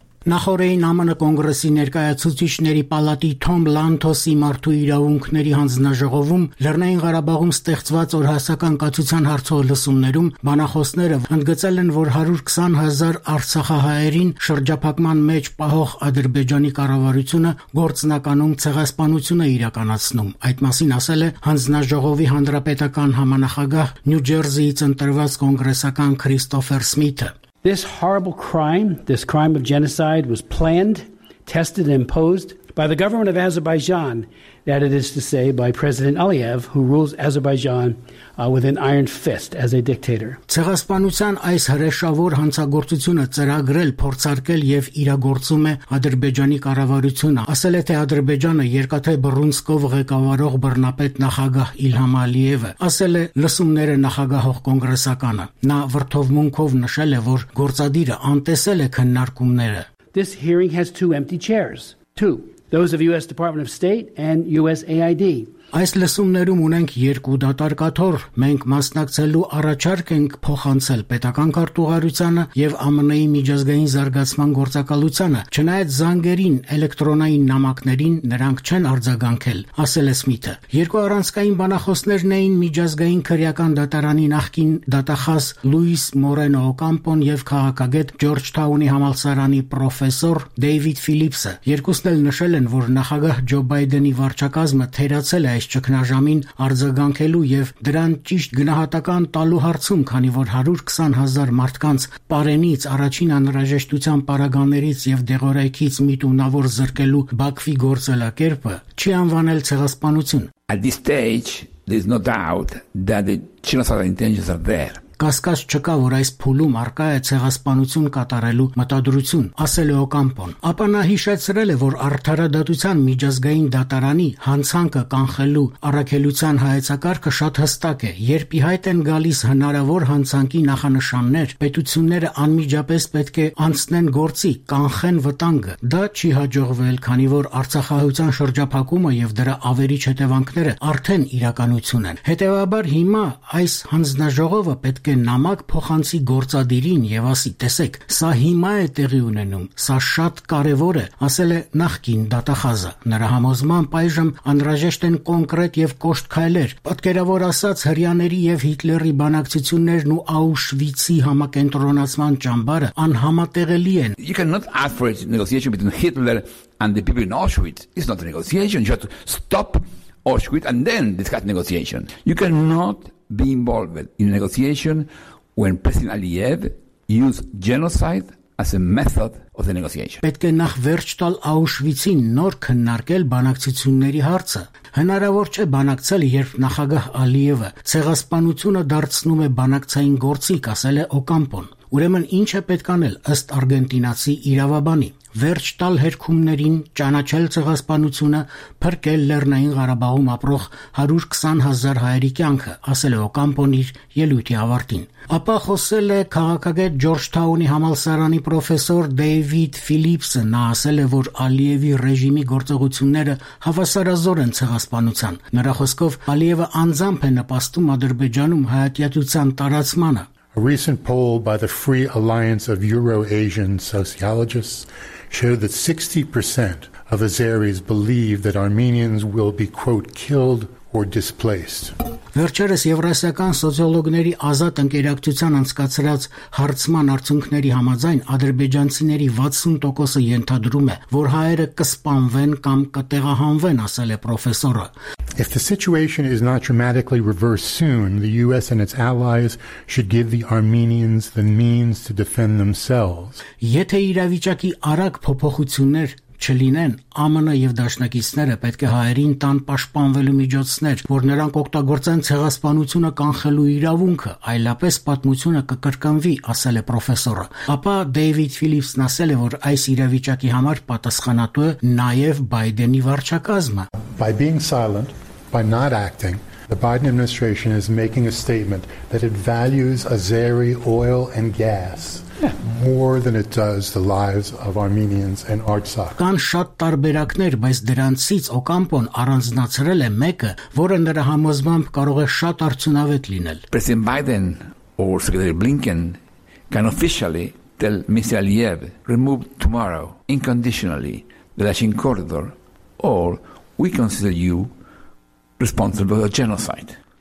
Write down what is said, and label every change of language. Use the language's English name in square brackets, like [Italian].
[Armenian] Նախորդային ԱՄՆ կոնգրեսի ներկայացուցիչների պալատի Թոմ Լանթոսի մարդու իրավունքների հանձնաժողովում Լեռնային Ղարաբաղում ստեղծված օրհասական կացության հարցով լսումներում բանախոսները ընդգծել են, որ 120,000 արցախահայերին շրջափակման մեջ պահող Ադրբեջանի կառավարությունը գործնականում ցեղասպանություն է իրականացնում։ Այդ մասին ասել է հանձնաժողովի հանրապետական համանախագահ Նյու Ջերսիից ընտրված կոնգրեսական Քրիստոֆեր Սմիթը։ [English] This horrible crime, this crime of genocide, was planned, tested, and imposed by the government of Azerbaijan, that it is to say by President Aliyev, who rules Azerbaijan with an iron fist as a dictator. [Armenian] Ցեղասպանության այս հրեշավոր հանցագործությունը ծրագրել, փորձարկել եւ իրագործում է Ադրբեջանի կառավարությունը։ Ասել է, թե Ադրբեջանը երկաթե բռունցքով ղեկավարող բռնապետ նախագահ Իլհամ Ալիևը, ասել է, լսումները նախագահող կոնգրեսականը։ Նա վրդովմունքով նշել է, որ գործադիրը անտեսել է քննարկումները։ [English] This hearing has two empty chairs. Two. Those of US Department of State and USAID. [Armenian] Այս լսումներում ունենք երկու դատար կաթոր, մենք մասնակցելու առաջարկ ենք փոխանցել պետական քարտուղարությանը եւ ԱՄՆ-ի միջազգային զարգացման գործակալությանը, չնայած զանգերին, էլեկտրոնային նամակներին նրանք չեն արձագանքել, ասել է Սմիթը։ Երկու առանցքային բանախոսներն էին միջազգային քրեական դատարանի նախկին դատախազ Լուիս Մորենո Օկամպոն եւ քաղաքագետ Ջորջ Թաունի համալսարանի պրոֆեսոր Դեյվիդ Ֆիլիպսը։ Երկուսն էլ նշել են, որ նախագահ Ջո Բայդենի վարչակազմը թերացել այս ճգնաժամին արձագանքելու եւ դրան ճիշտ գնահատական տալու հարցում, քանի որ 120,000 մարդկանց պարենից, առաջին անհրաժեշտության պարագաներից եւ դեղորայքից միտունավոր զրկելու Բաքվի գործելակերպը չի անվանել ցեղասպանություն։ [English] At this stage there's no doubt that the genocide intentions are there. [Armenian] Կասկած չկա, որ այս փուլում առկա է ցեղասպանություն կատարելու մտադրություն, ասել է Օկամպոն։ Ապա նա հիշեցրել է, որ արդարադատության միջազգային դատարանի հանցանքը կանխելու առաքելության հայեցակարգը շատ հստակ է։ Երբ ի հայտ են գալիս հնարավոր հանցանքի նախանշաններ, պետությունները անմիջապես պետք է անցնեն գործի, կանխեն վտանգը։ Դա չի հաջողվել, քանի որ արցախահայության շրջափակումը եւ դրա ավերիչ հետևանքները արդեն իրականություն են։ Հետևաբար հիմա այս հանձնաժողովը պետք է նամակ փոխանցի գործադիրին եւ ասի, տեսեք, սա հիմա է տեղի ունենում, սա շատ կարեւոր է, ասել է նախկին դատախազը։ Նրա համոզմամբ այժմ անհրաժեշտ են կոնկրետ եւ կոշտ քայլեր։ Պատկերավոր ասած, հրյաների եւ Հիտլերի բանակցություններն ու Աուշվիցի համակենտրոնացման ճամբարը անհամատեղելի են։ [English] You cannot afford negotiation between Hitler and the people in Auschwitz. It's not a negotiation, just stop Auschwitz and then discuss negotiation. You cannot be involved in negotiation when President Aliyev used genocide as a method of the negotiation. [Armenian] Պետք է նախ վերջ տալ Աուշվիցին, նոր քննարկել բանակցությունների հարցը։ Հնարավոր չէ բանակցել, երբ նախագահ Ալիևը ցեղասպանությունը դարձնում է բանակցային գործիք, ասել է Օկամպոն։ Ուրեմն ի՞նչ է պետք անել ըստ արգենտինացի իրավաբանի։ Վերջ տալ հերքումներին, ճանաչել ցեղասպանությունը, փրկել Լեռնային Ղարաբաղում ապրող 120,000 հայերի կյանքը, ասել է Օկամպոն իր ելույթի ավարտին։ Ապա խոսել է քաղաքագետ Ջորջ Թաունի համալսարանի պրոֆեսոր Դեյվիդ Ֆիլիպսը, նա ասել է, որ Ալիևի ռեժիմի գործողությունները հավասարազոր են ցեղասպանության։ Նրա խոսքով Ալիևը անձամբ է նպաստում Ադրբեջանում հայատյացության տարածմանը։ [English] A recent poll by the Free Alliance of Euro-Asian Sociologists showed that 60% of Azeris believe that Armenians will be, quote, killed or displaced. [Armenian] Վերջերս Եվրասիական սոցիոլոգների ազատ ընկերակցության անցկացրած հարցման արդյունքների համաձայն ադրբեջանցիների 60%-ը ենթադրում է, որ հայերը կսպանվեն կամ կտեղահանվեն, ասել է պրոֆեսորը։ [English] If the situation is not dramatically reversed soon, the US and its allies should give the Armenians the means to defend themselves. [Armenian] Եթե իրավիճակի արագ փոփոխություններ չլինեն, ԱՄՆ եւ դաշնակիցները պետք է հայերին տան պաշտպանվելու միջոցներ, որ նրանք օգտագործեն ցեղասպանությունը կանխելու իրավունքը, այլապես պատմությունը կկրկնվի, ասել է պրոֆեսորը։ Ապա Դեյվիդ Ֆիլիպսն ասել է, որ այս իրավիճակի համար պատասխանատու է նաեւ Բայդենի վարչակազմը։ [English] By being silent, by not acting, the Biden administration is making a statement that it values Azeri oil and gas more than it does the lives of Armenians and Artsakh. [Armenian] Կան շատ տարբերակներ, բայց դրանցից Օկամպոն առանձնացրել է մեկը, որը նրա համոզմամբ կարող է շատ արդյունավետ լինել. [English] President Biden or Secretary Blinken can officially tell Mr. Aliyev remove tomorrow unconditionally the Lachin corridor or we consider you responsible for genocide.